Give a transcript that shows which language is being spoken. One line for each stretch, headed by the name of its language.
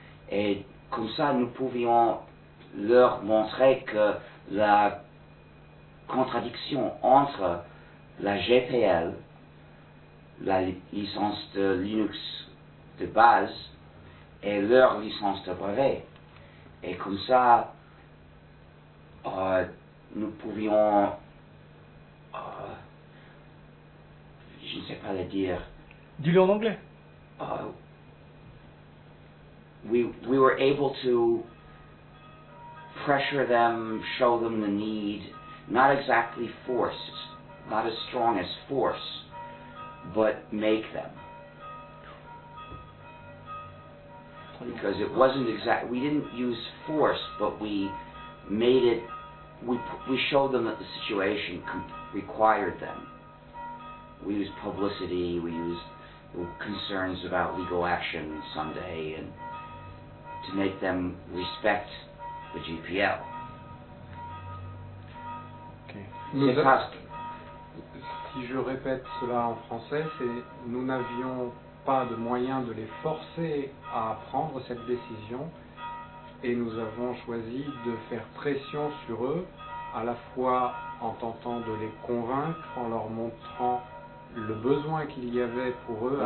French: Et comme ça, nous pouvions leur montrer que la contradiction entre la GPL, la licence de Linux de base, et leur licence de brevet. Et comme ça, nous pouvions, je ne sais pas le dire. Dis-le en anglais.
English: We were able to pressure them, show them the need, not exactly force, not as strong as force, but make them. Because it wasn't exact, we didn't use force, but we made it, we showed them that the situation required them. we use publicity, we use concerns about legal action someday, and to make them respect the GPL.
French: Okay. C'est parce... Si je répète cela en français, c'est nous n'avions pas de moyen de les forcer à prendre cette décision, et nous avons choisi de faire pression sur eux, à la fois en tentant de les convaincre, en leur montrant le besoin qu'il y avait pour eux